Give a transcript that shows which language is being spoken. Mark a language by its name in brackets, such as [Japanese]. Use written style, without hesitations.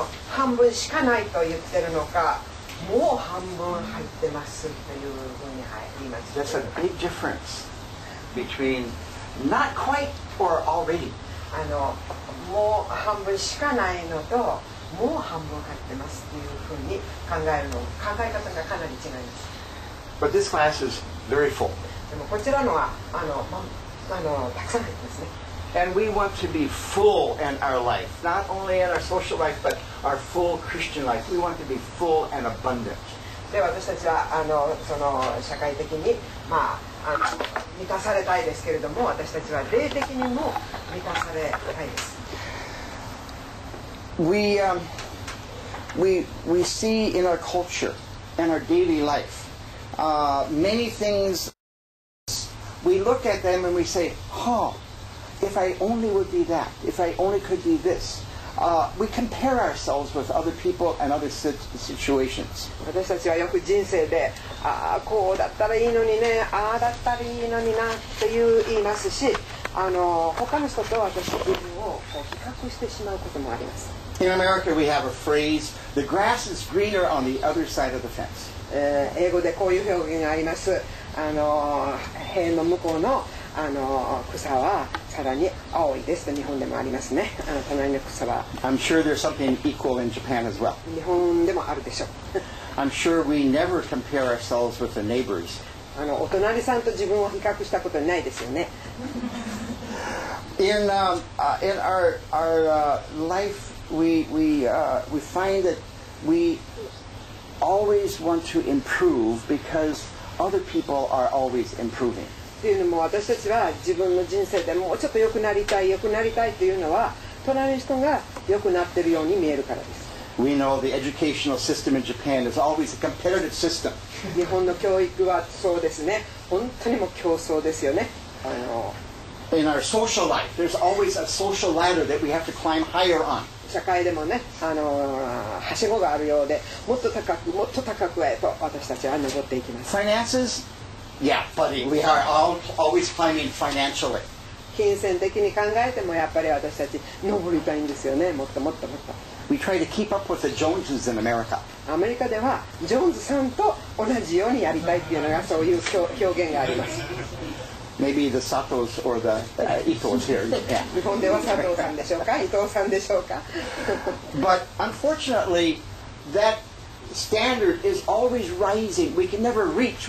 [Japanese] 半分しかないと言ってるのか、もう半分入ってますというふうに言います。 [English] That's a big difference between not quite or already. [Japanese] もう半分しかないのと、もう半分入ってますというふうに考えるの、考え方がかなり違います。 [English] But this glass is very full. [Japanese] でもこちらのはたくさん入ってますね。 [English] And we want to be full in our life, not only in our social life, but our full Christian life. We want to be full and abundant. [Japanese] で、私たちは社会的に、まあ、満たされたいですけれども、私たちは霊的にも満たされたいです。 [English] We see in our culture, in our daily life, many things. We look at them and we say, huh. If I only would be that, if I only could be this, we compare ourselves with other people and other situations. [Japanese] 私たちはよく人生で、ああこうだったらいいのにね、ああだったらいいのになという言いますし、他の人と私自分をこう比較してしまうこともあります。 [English] In America, we have a phrase: "The grass is greener on the other side of the fence." [Japanese] 英語でこういう表現があります。塀の向こうの草はさらに青いですと日本でもありますね。隣の草は。 [English] I'm sure there's something equal in Japan as well. [Japanese] 日本でもあるでしょう。 [English] I'm sure we never compare ourselves with the neighbors. [Japanese] お隣さんと自分を比較したことないですよね。 [English] in our life, we find that we always want to improve because other people are always improving. [Japanese] というのも私たちは自分の人生でもうちょっと良くなりたい良くなりたいというのは隣の人が良くなっているように見えるからです。 [English] We know the educational system in Japan is always a competitive system. [Japanese] 日本の教育はそうですね。本当にも競争ですよね。 [English] In our social life, there's always a social ladder that we have to climb higher on. [Japanese] 社会でもね、はしごがあるようで、もっと高くもっと高くへと私たちは登っていきます。 [English] Finances? Yeah, buddy, we are always climbing financially. [Japanese] 金銭的に考えてもやっぱり私たち登りたいんですよね。もっともっともっと。 [English] We try to keep up with the Joneses in America. [Japanese] アメリカではジョーンズさんと同じようにやりたいっていうのがそういう表現があります。 [English] Maybe the Satos or the Itos here. [Japanese] 日本では佐藤さんでしょうか、伊藤さんでしょうか。 [English] But unfortunately, that. Standard is always rising. We can never reach.